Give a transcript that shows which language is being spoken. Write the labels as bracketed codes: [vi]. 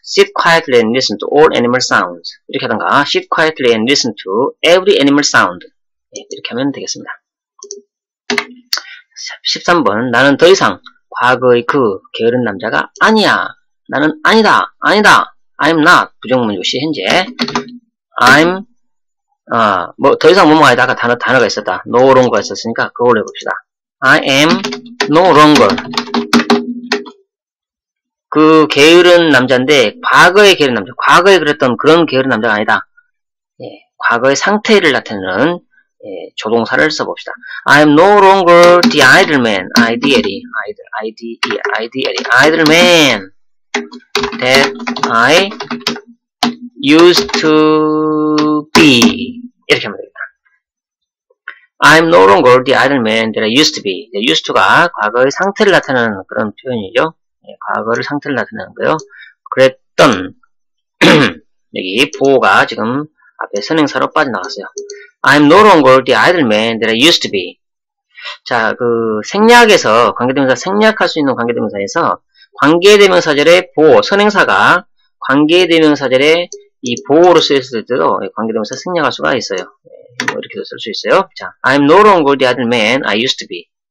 [en] Sit quietly and listen to all animal sounds. [ko] 이렇게 하던가. [en] Sit quietly and listen to every animal sound. [ko] 네, 이렇게 하면 되겠습니다. 13번. 나는 더 이상 과거의 그 게으른 남자가 아니야. 나는 아니다. 아니다. [en] I'm not. [ko] 부정문 역시 현재. I'm 더 이상 뭐뭐 아니다. 아까 단어가 있었다. [en] No longer [ko] 있었으니까 그걸로 해봅시다. [en] I am no longer. [ko] 그 게으른 남자인데, 과거의 게으른 남자. 과거에 그랬던 그런 게으른 남자가 아니다. 예, 과거의 상태를 나타내는 예, 조동사를 써봅시다. [en] I am no longer the idle man. Idle man. That I used to be. [ko] 이렇게 하면 됩니다. [en] I'm no longer the idle man that I used to be. used to [ko] 가 과거의 상태를 나타내는 그런 표현이죠. 예, 과거를 상태를 나타내는 거요. 그랬던 여기 보호가 지금 앞에 선행사로 빠져나갔어요. [en] I'm no longer the idle man that I used to be. [ko] 자, 그 생략에서 관계대명사 생략할 수 있는 관계대명사에서 관계대명사절의 보호 선행사가 관계대명사절의 이 보호로 쓰였을 때도 관계대명사 생략할 수가 있어요. 이렇게도 쓸 수 있어요. [en] 자, I'm no longer the other man I used to be.